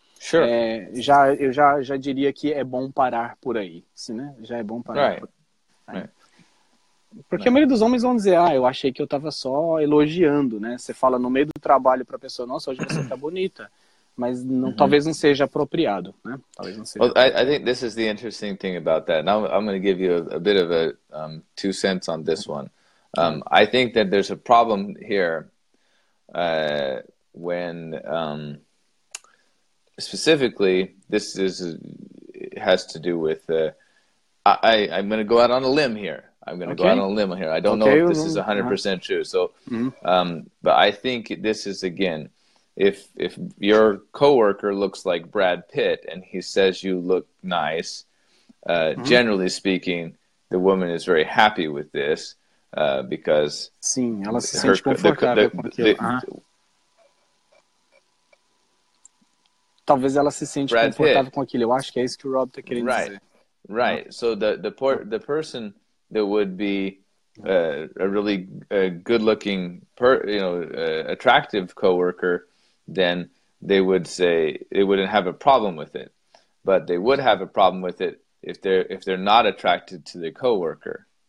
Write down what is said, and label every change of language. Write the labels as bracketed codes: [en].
[en] Sure. [pt] Eu já diria que é bom parar por aí, sim, né? Já é bom parar [en] right. [pt] por aí. [en] Right. [pt] Porque a maioria dos homens vão dizer, eu achei que eu tava só elogiando, né? Você fala no meio do trabalho pra pessoa, nossa, hoje você tá bonita. Mas não, talvez não seja apropriado, né? Talvez não seja apropriado. [en] I think this is the interesting thing about that. Now I'm going to give you a bit of a two cents on this one. I think that there's a problem here when specifically this has to do with I'm going to go out on a limb here. I'm going to go out on a limb here. I don't know if this is 100% true. So, but I think this is, again, if your coworker looks like Brad Pitt and he says you look nice, generally speaking, the woman is very happy with this. Because [pt] sim, ela se sente confortável com aquilo. Talvez ela se sente confortável com aquilo. Eu acho que é isso que o Rob está querendo [en] right. [pt] dizer. [en] Right. So the person that would be a really good-looking, attractive coworker, then they would say they wouldn't have a problem with it, but they would have a problem with it if they're not attracted to the coworker.